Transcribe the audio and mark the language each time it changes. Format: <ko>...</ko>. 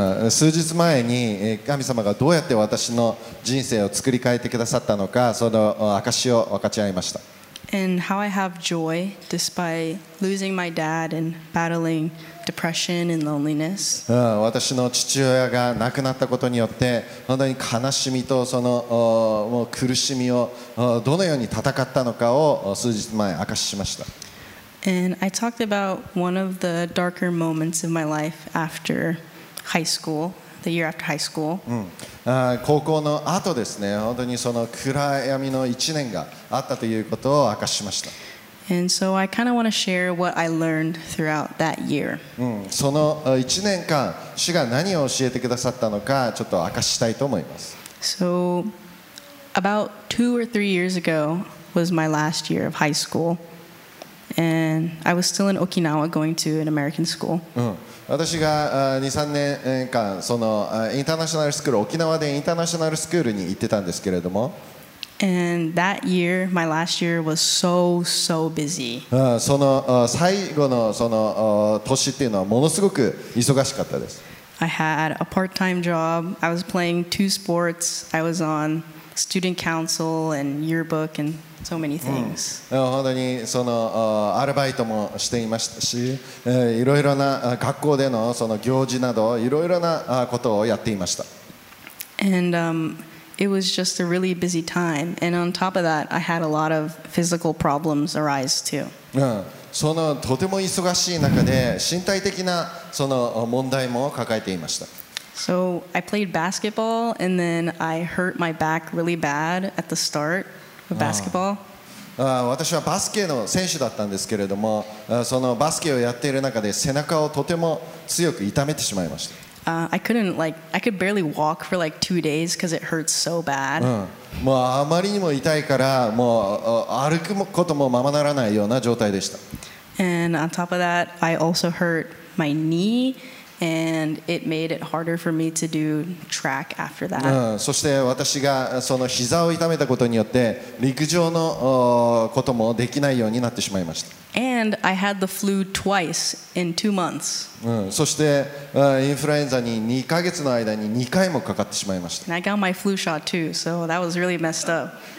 <ja>数日前に神様がどうやって私の人生を作り変えてくださったのか、その証を分かち合いました。</ja> <en>And how I have joy despite losing my dad and battling depression and loneliness.</en> <ja>私の父親が亡くなったことによって本当に悲しみとそのもう苦しみをどのように戦ったのかを数日前明かしました。</ja> <en>And I talked about one of the darker moments of my life after high school, the year after high school.</en> <ja>高校の後ですね、本当にその暗闇の1年があったということを明かしました。</ja> <en>And so I kind of want to share what I learned throughout that year.</en> <ja>その1年間、主が何を教えてくださったのか、ちょっと明かしたいと思います。</ja> <en>So, about two or three years ago was my last year of high school. And I was still in Okinawa going to an American school.</en> <ja>私が 2,3 年間、そのインターナショナルスクール、沖縄でインターナショナルスクールに行ってたんですけれども、</ja> <en>And that year, my last year was so, so busy.</en> <ja>その最後のその年っていうのはものすごく忙しかったです。</ja> <en>I had a part-time job. I was playing two sports. I was on student council and yearbook and so many things.</en> <ja>本当にそのアルバイトもしていましたし、いろいろな学校でのその行事などいろいろなことをやっていました。</ja> <en>And, It was just a really busy time, and on top of that, I had a lot of physical problems arise too.</en> <ja>そのとても忙しい中で身体的なその問題も抱えていました。</ja> <en>So I played basketball, and then I hurt my back really bad at the start of basketball.</en> <ja>私はバスケの選手だったんですけれども、そのバスケをやっている中で背中をとても強く痛めてしまいました。</ja> <en>I could barely walk for like 2 days because it hurts so bad.</en> <ja>もうあまりにも痛いから、もう歩くこともままならないような状態でした。</ja> <en>And on top of that, I also hurt my knee, and it made it harder for me to do track after that.</en> <ja>そして私がその膝を痛めたことによって、陸上のこともできないようになってしまいました。</ja> <en>And I had the flu twice in 2 months.</en> <ja>そして、インフルエンザに2ヶ月の間に2回もかかってしまいました。</ja> <en>And I got my flu shot too, so that was really messed up.</en>